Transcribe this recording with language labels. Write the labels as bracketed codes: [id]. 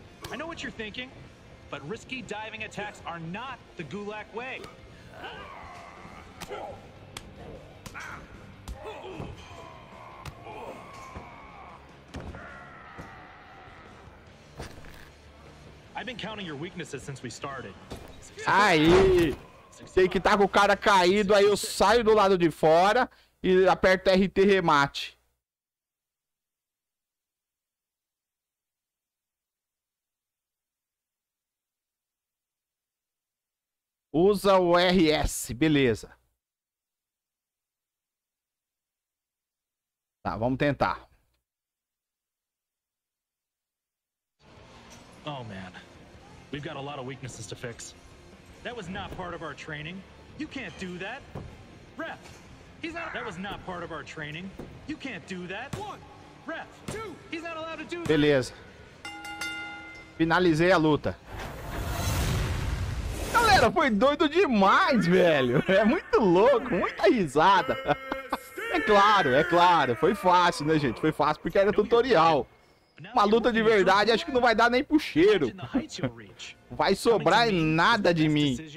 [en] I know what you're thinking, but risky diving attacks are not the Gulak way. I've been counting your weaknesses since we started. [pt] Aí, sei que tá com o cara caído, aí eu saio do lado de fora e aperto RT remate. Usa o RS, beleza. Tá, vamos tentar. [en] Oh man. We've got a lot of weaknesses to fix. That was not part of our training. You can't do that. Ref. He's not. That was not part of our training. You can't do that. One. Ref. Two. He's not allowed to do that. [pt] Beleza. Finalizei a luta. Galera, foi doido demais, velho. É muito louco, muita risada. é claro, foi fácil, né, gente? Foi fácil porque era tutorial. Uma luta de verdade, acho que não vai dar nem pro cheiro. Vai sobrar nada de mim.